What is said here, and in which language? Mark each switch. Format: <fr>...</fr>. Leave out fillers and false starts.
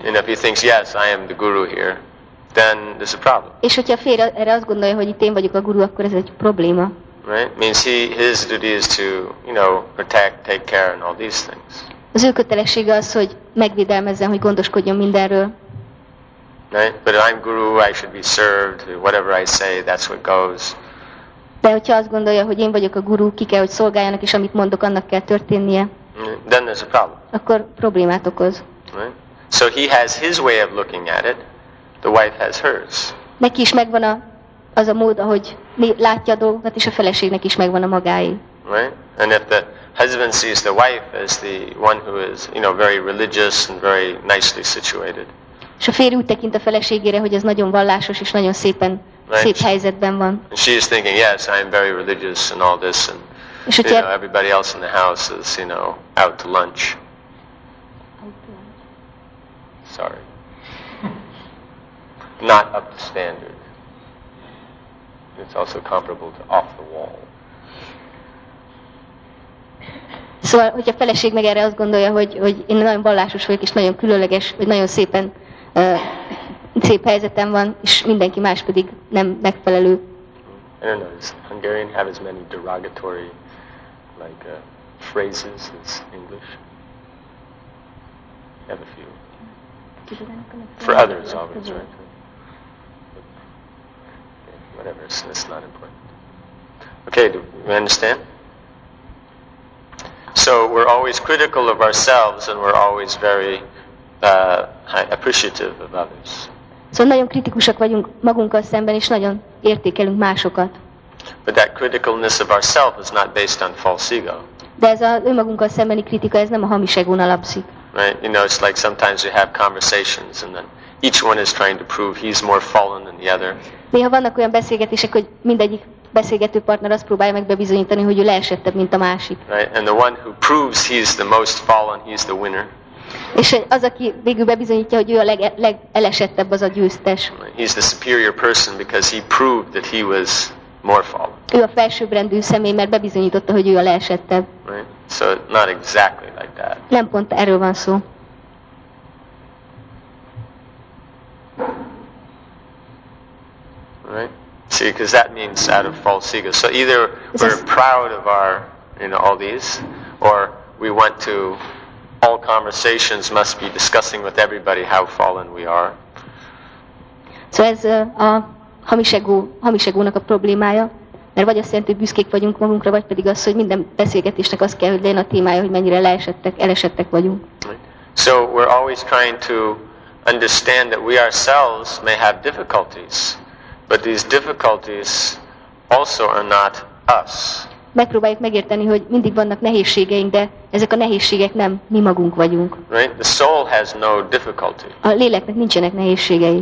<en>And if he thinks, yes, I am the guru here, then there's a problem.</en> <hu>És hogyha a férje erre azt gondolja, hogy itt én vagyok a guru, akkor ez egy probléma.</hu> <en>Right? Means his duty is to, you know, protect, take care and all these things.</en> <hu>Az ő kötelessége az, hogy megvédelmezzen, hogy gondoskodjon mindenről.</hu> <en>Right? But if I'm guru, I should be served. Whatever I say, that's what goes.</en> <hu>De hogyha azt gondolja, hogy én vagyok a guru, ki kell, hogy szolgáljanak, és amit mondok, annak kell történnie.</hu> <en>Then there's a problem.</en> <hu>Akkor problémát okoz.</hu> <en>Right? So he has his way of looking at it. The wife has hers.</en> <hu>Neki is megvan az a mód, ahogy látja a dolgokat, és a feleségnek is megvan a magáé.</hu> <en>Right? And if the husband sees the wife as the one who is, you know, very religious and very nicely situated.</en> <hu>És a férj úgy tekint a feleségére, hogy ez nagyon vallásos és nagyon szépen, right? Szép helyzetben van.</hu> <en>And she is thinking, yes, I am very religious and all this, and you know, everybody else in the house is, you know, out to lunch. Sorry. Not up to standard. It's also comparable to off the wall.</en> <hu>Szóval, hogyha a feleség meg erre azt gondolja, hogy én nagyon vallásos vagyok, és nagyon különleges, hogy nagyon szépen szép helyzetem van, és mindenki más pedig nem megfelelő.</hu> <en>I don't know, does Hungarian have as many derogatory like phrases as English? I have a few. For others, always, right? Okay, whatever, it's not important. Okay, do we understand? So we're always critical of ourselves and we're always very appreciative of others.</en> <hu>So nagyon kritikusak vagyunk magunkkal szemben és nagyon értékelünk másokat.</hu> <en>But that criticalness of ourselves is not based on false ego.</en> <hu>De ez a önmagunkkal szembeni kritika, ez nem a hamis egón alapszik.</hu> <en>Right? You know, it's like sometimes you have conversations and then each one is trying to prove he's more fallen than the other.</en> <hu>Néha vannak olyan beszélgetések, hogy mindegyik beszélgető partner azt próbálja meg bebizonyítani, hogy ő leesettebb, mint a másik.</hu> <en>Right? And the one who proves he's the most fallen, he's the winner.</en> <hu>És az, aki végül bebizonyítja, hogy ő a legelesettebb, az a győztes.</hu> <en>He's the superior person because he proved that he was more fallen.</en> <hu>Ő a felsőbbrendű személy, mert bebizonyította, hogy ő a leesettebb.</hu> <en>Right? So not exactly like that.</en> <hu>Nem pont erről van szó.</hu> <en>Right? See, because that means out of false ego. So either we're proud of our, you know, all these, or we want to, all conversations must be discussing with everybody how fallen we are.</en> <hu>So ez a hamis egónak a problémája, mert vagy azt jelenti, hogy büszkék vagyunk magunkra, vagy pedig az, hogy minden beszélgetésnek az kell, hogy legyen a témája, hogy mennyire elesettek vagyunk.</hu> <en>Right. So we're always trying to understand that we ourselves may have difficulties. But these difficulties also are not us.</en> <hu>Megpróbáljuk megérteni, hogy mindig vannak nehézségeink, de ezek a nehézségek nem mi magunk vagyunk.</hu> <en>Right? The soul has no difficulty.</en> <hu>A léleknek nincsenek nehézségei.</hu>